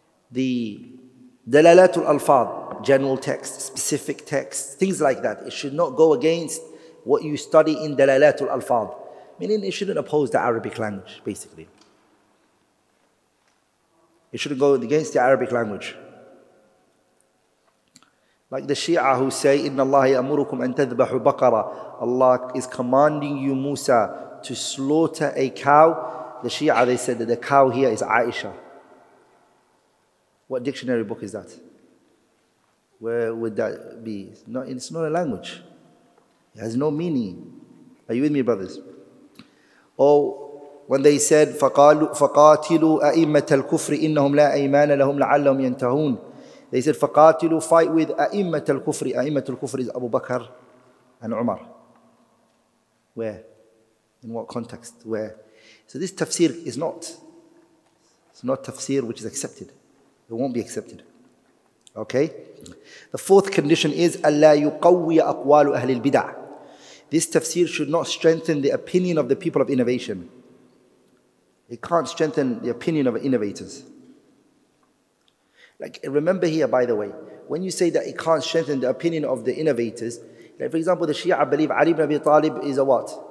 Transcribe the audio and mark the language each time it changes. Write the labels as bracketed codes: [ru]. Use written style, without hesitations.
[en] The dalalatul alfadh, general text, specific text, things like that. It should not go against what you study in dalalatul alfadh. Meaning it shouldn't oppose the Arabic language, basically. It shouldn't go against the Arabic language. Like the Shia who say, [ar] إِنَّ اللَّهَ يَأْمُرُكُمْ أَن تَذْبَحُ بَقَرًا. [en] Allah is commanding you, Musa, to slaughter a cow. The Shia, they said that the cow here is Aisha. What dictionary book is that? Where would that be? It's not a language. It has no meaning. Are you with me, brothers? Oh, when they said, [ar] فَقَاتِلُوا أَئِمَّةَ الْكُفْرِ إِنَّهُمْ لَا أَيْمَانَ لَهُمْ لَعَلَّهُمْ يَنْتَهُونَ. [en] They said, [ar] فَقَاتِلُوا, [en] fight with [ar] أَئِمَّةَ الْكُفْرِ. أَئِمَّةَ الْكُفْرِ [en] is Abu Bakr and Umar. Where? In what context? Where? So this tafsir is not, it's not tafsir which is accepted. It won't be accepted. Okay? The fourth condition is, [ar] أَلَّا يُقَوِّيَ أَقْوَالُ أَهْلِ الْبِدَعِ. [en] This tafsir should not strengthen the opinion of the people of innovation. It can't strengthen the opinion of innovators. Like, remember here, by the way, when you say that it can't strengthen the opinion of the innovators, like for example, the Shia believe Ali ibn Abi Talib is a what?